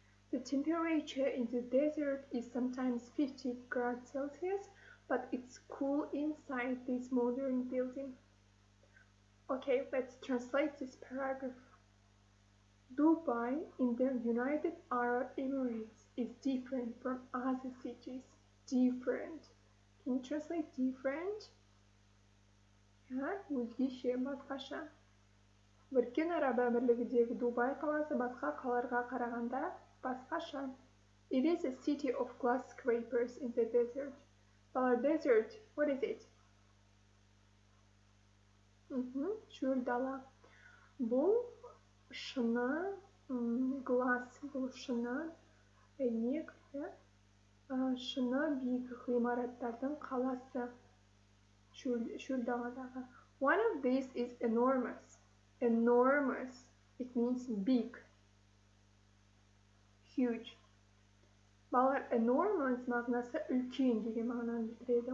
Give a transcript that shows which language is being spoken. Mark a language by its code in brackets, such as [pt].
[en] The temperature in the desert is sometimes 50 degrees Celsius, but it's cool inside this modern building. Okay, let's translate this paragraph. Dubai in the United Arab Emirates is different from other cities. Different. Can you translate different? [kk] Yeah, өзгеше, басқаша. Біріккен араб әмірлігіндегі Дубай қаласы басқа қалаларға қарағанда басқаша. [en] It is a city of glass scrapers in the desert. But a desert, what is it? [kk] Шөл дала. Бұл шыны, глаз бұл шыны, әйнек, шыны биік ғимараттардың қаласы шөл даладағы. [en] One of these is enormous. Enormous, it means big, huge. [kk] Балар, enormous мағынасы үлкен деген мағынан білдіреді.